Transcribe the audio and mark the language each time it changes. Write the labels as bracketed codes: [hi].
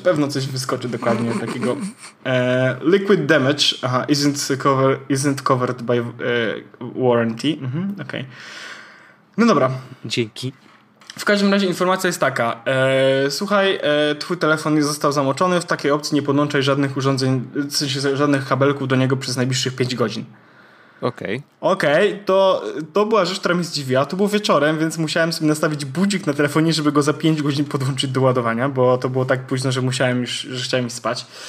[pl] Pewno coś wyskoczy dokładnie takiego. [en] Liquid damage isn't covered by warranty. [pl] Mhm, okay. No dobra. Dzięki. W każdym razie informacja jest taka. Słuchaj, twój telefon został zamoczony. W takiej opcji nie podłączaj żadnych urządzeń, w sensie żadnych kabelków do niego przez najbliższych 5 godzin. Okej, to była rzecz, która mnie zdziwiła. To było wieczorem, więc musiałem sobie nastawić budzik na telefonie, żeby go za 5 godzin podłączyć do ładowania, bo to było tak późno, że musiałem już, że chciałem iść spać.